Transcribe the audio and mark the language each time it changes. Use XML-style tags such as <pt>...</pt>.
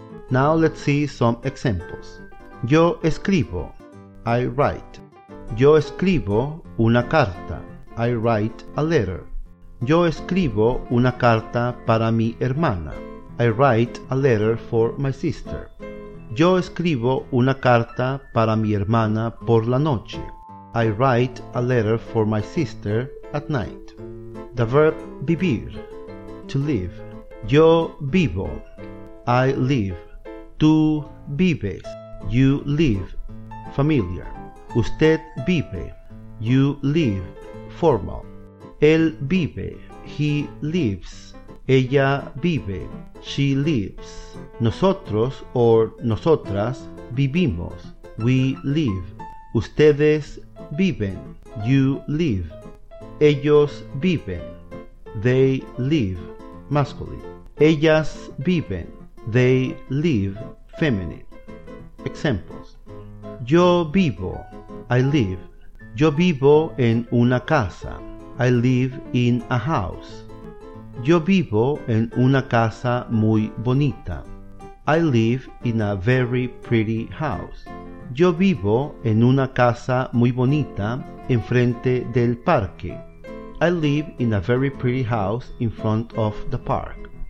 <en>Now let's see some examples.</en> <es>Yo escribo.</es> <en>I write.</en> <es>Yo escribo una carta.</es> <en>I write a letter.</en> <es>Yo escribo una carta para mi hermana.</es> <en>I write a letter for my sister.</en> <es>Yo escribo una carta para mi hermana por la noche.</es> <en>I write a letter for my sister at night. The verb vivir, to live.</en> <es>Yo vivo.</es> <en>I live.</en> <es>Tú vives.</es> <en>You live. Familiar.</en> <es>Usted vive.</es> <en>You live. Formal.</en> <es>Él vive.</es> <en>He lives.</en> <es>Ella vive.</es> <en>She lives.</en> <es>Nosotros or nosotras vivimos.</es> <en>We live.</en> <es>Ustedes viven.</es> <en>You live.</en> <es>Ellos viven.</es> <en>They live. Masculine.</en> <es>Ellas viven.</es> <en>They live. Feminine. Examples.</en> <es>Yo vivo.</es> <en>I live.</en> <es>Yo vivo en una casa.</es> <en>I live in a house.</en> <es>Yo vivo en una casa muy bonita.</es> <en>I live in a very pretty house.</en> <es>Yo vivo en una casa muy bonita enfrente del parque.</es> <en>I live in a very pretty house in front of the park.</en>